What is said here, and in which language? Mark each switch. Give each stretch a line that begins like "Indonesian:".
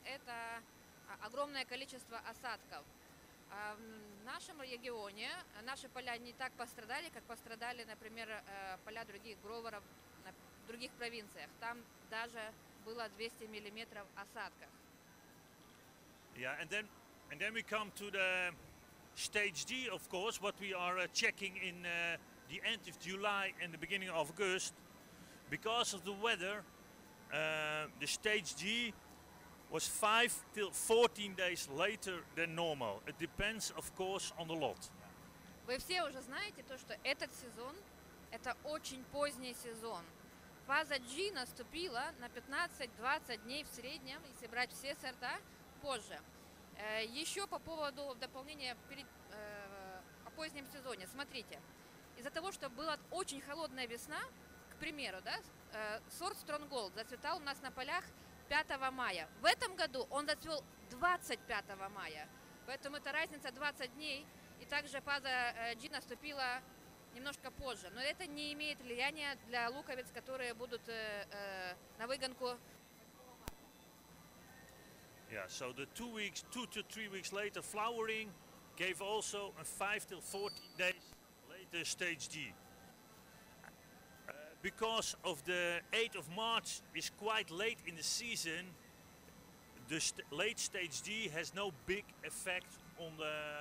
Russian: Это огромное количество осадков. В нашем регионе наши поля не так пострадали, как пострадали, например, поля других гроворов в других провинциях. Там даже было 200 миллиметров осадков.
English: Yeah, and then we come to the stage D, of course, what we are checking in the end of July and the beginning of August. Because of the weather, the stage D was 5 till 14 days later than normal. It depends, of course, on the lot.
Russian: Вы все уже знаете то, что этот сезон это очень поздний сезон. Фаза G наступила на 15-20 дней в среднем, если брать все сорта, позже. Еще по поводу дополнения перед, о позднем сезоне. Смотрите, из-за того, что была очень холодная весна, к примеру, да, сорт Stronghold зацветал у нас на полях 5 мая. В этом году он зацвел 25 мая, поэтому это разница 20 дней, и также фаза G наступила немножко позже, но это не имеет влияния для луковиц, которые будут на выгонку.
English: Yeah, so the 2 weeks, 2 to 3 weeks later flowering gave also a 5 to 14 days later stage G. Because of the 8th of March is quite late in the season, the late stage G has no big effect on the